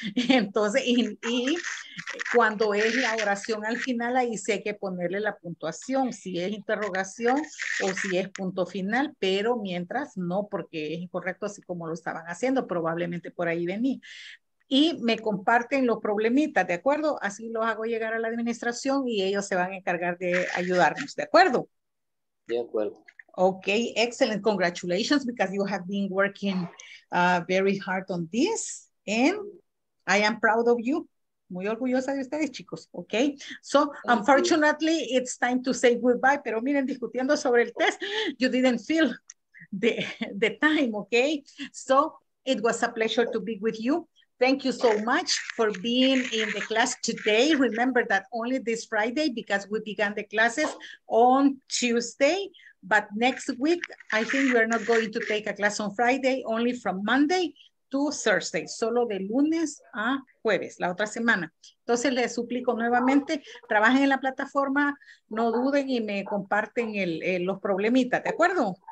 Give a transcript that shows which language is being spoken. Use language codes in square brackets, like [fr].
[es] Entonces, y cuando es la oración al final, ahí sí hay que ponerle la puntuación, si es interrogación o si es punto final, pero mientras no, porque es incorrecto así como lo estaban haciendo, probablemente por ahí venía. Y me comparten los problemitas, ¿de acuerdo? Así los hago llegar a la administración y ellos se van a encargar de ayudarnos, ¿de acuerdo? De acuerdo. [en] Ok, excellent. Congratulations, because you have been working very hard on this. And I am proud of you. [es] Muy orgullosa de ustedes, chicos. [en] Ok. So, unfortunately, it's time to say goodbye. [es] Pero miren, discutiendo sobre el test, [en] you didn't feel the time, ok? So, it was a pleasure to be with you. Thank you so much for being in the class today. Remember that only this Friday, because we began the classes on Tuesday, but next week, I think we're not going to take a class on Friday, only from Monday to Thursday, [es] solo de lunes a jueves, la otra semana. Entonces les suplico nuevamente, trabajen en la plataforma, no duden y me comparten los problemitas, ¿de acuerdo?